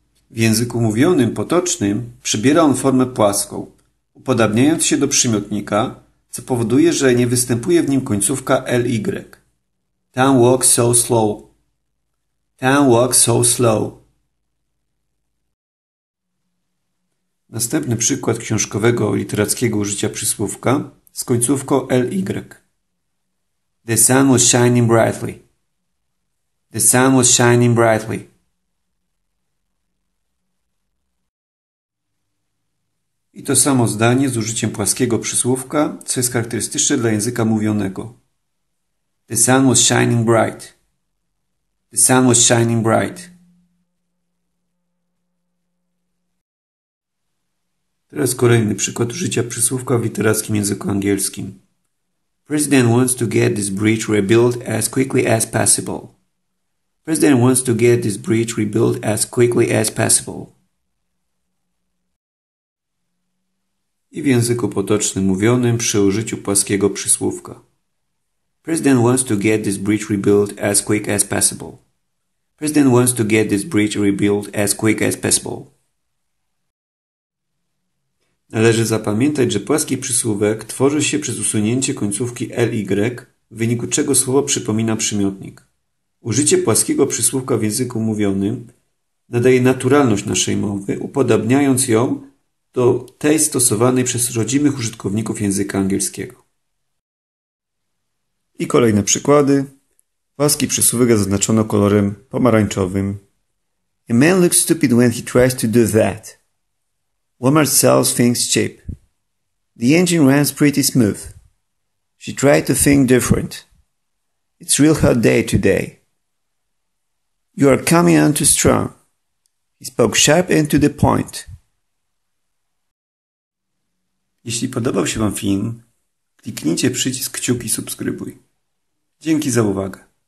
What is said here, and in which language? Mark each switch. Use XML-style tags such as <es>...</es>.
<pl>W języku mówionym, potocznym, przybiera on formę płaską, upodabniając się do przymiotnika, co powoduje, że nie występuje w nim końcówka ly.</pl> <en>Time walks so slow. Time walks so slow.</en> <pl>Następny przykład książkowego literackiego użycia przysłówka z końcówką ly.</pl> <en>The sun was shining brightly. The sun was shining brightly.</en> <pl>I to samo zdanie z użyciem płaskiego przysłówka, co jest charakterystyczne dla języka mówionego.</pl> <en>The sun was shining bright. The sun was shining bright.</en> <pl>Teraz kolejny przykład użycia przysłówka w literackim języku angielskim.</pl> <en>President wants to get this bridge rebuilt as quickly as possible. President wants to get this bridge rebuilt as quickly as possible.</en> <pl>I w języku potocznym mówionym przy użyciu płaskiego przysłówka.</pl> <en>President wants to get this bridge rebuilt as quick as possible. President wants to get this bridge rebuilt as quick as possible.</en> <pl>Należy zapamiętać, że płaski przysłówek tworzy się przez usunięcie końcówki ly, w wyniku czego słowo przypomina przymiotnik. Użycie płaskiego przysłówka w języku mówionym nadaje naturalność naszej mowy, upodabniając ją do tej stosowanej przez rodzimych użytkowników języka angielskiego. I kolejne przykłady. Płaski przysłówek zaznaczono kolorem pomarańczowym.</pl> <en>A man looks stupid when he tries to do that. Walmart sells things cheap. The engine runs pretty smooth. She tried to think different. It's real hot day today. You are coming on too strong. He spoke sharp and to the point.</en> <pl>Jeśli podobał się Wam film, kliknijcie przycisk kciuki i subskrybuj. Dzięki za uwagę.</pl>